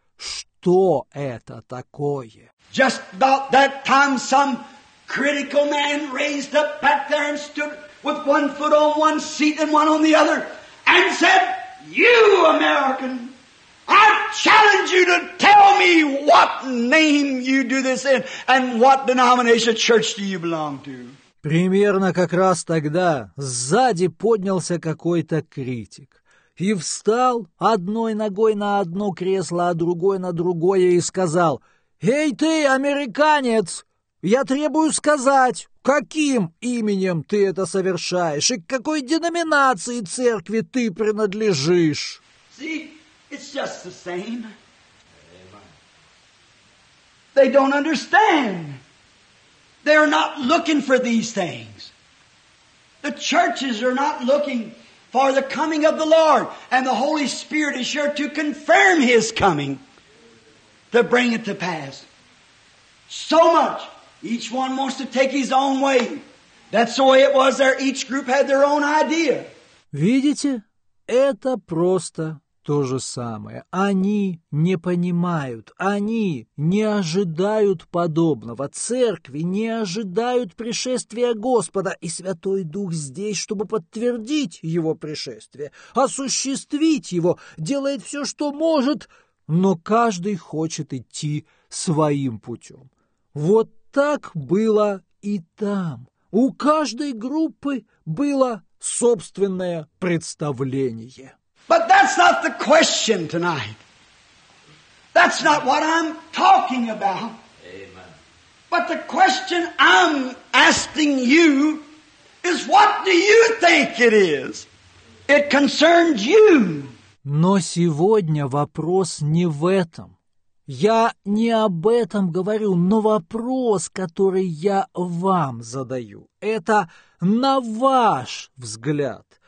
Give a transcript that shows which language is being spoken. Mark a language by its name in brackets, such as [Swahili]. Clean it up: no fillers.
[Russian] Что это такое? [English] Just about that time some critical man raised up back there and stood with one foot on one seat and one on the other and said, you American, I challenge you to tell me what name you do this in and what denomination church do you belong to. [Russian] Примерно как раз тогда сзади поднялся какой-то критик. и встал одной ногой на одно кресло, а другой на другое, и сказал: «Эй ты, американец! Я требую сказать, каким именем ты это совершаешь и к какой деноминации церкви ты принадлежишь?» [English] See, it's just the same. They don't understand. They're not looking for these things. The churches are not looking for the coming of the Lord, and the Holy Spirit is here to confirm His coming, to bring it to pass. So much. Each one wants to take his own way. That's the way it was there. Each group had their own idea. [Russian] Видите, это просто то же самое. Они не понимают, они не ожидают подобного. Церкви не ожидают пришествия Господа, и Святой Дух здесь, чтобы подтвердить Его пришествие, осуществить Его, делает все, что может, но каждый хочет идти своим путем. Вот так было и там. У каждой группы было собственное представление. [English] But that's not the question tonight. That's not what I'm talking about. Amen. But the question I'm asking you is, what do you think it is? It concerns you. [Russian] Но сегодня вопрос не в этом. Я не об этом говорю, но вопрос, который я вам задаю, это на ваш взгляд.